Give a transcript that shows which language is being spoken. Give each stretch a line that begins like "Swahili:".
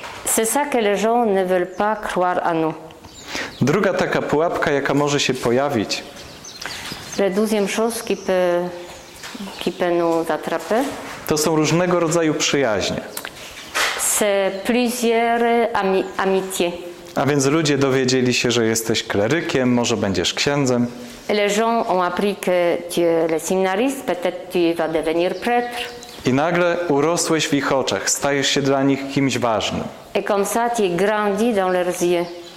French: C'est ça que les gens ne veulent pas croire à nous.
Polish: Druga taka pułapka, jaka może się pojawić.
French: La deuxième chose qui peut nous attraper.
Polish: To są różnego rodzaju przyjaźnie.
French: C'est plusieurs amitiés.
Polish: A więc ludzie dowiedzieli się, że jesteś klerykiem, może będziesz księdzem.
French: Les gens ont appris que tu es le séminariste, peut-être tu vas devenir prêtre.
Polish: I nagle urosłeś w ich oczach, stajesz się dla nich kimś ważnym.
French: Et comme ça, tu grandis dans leurs yeux.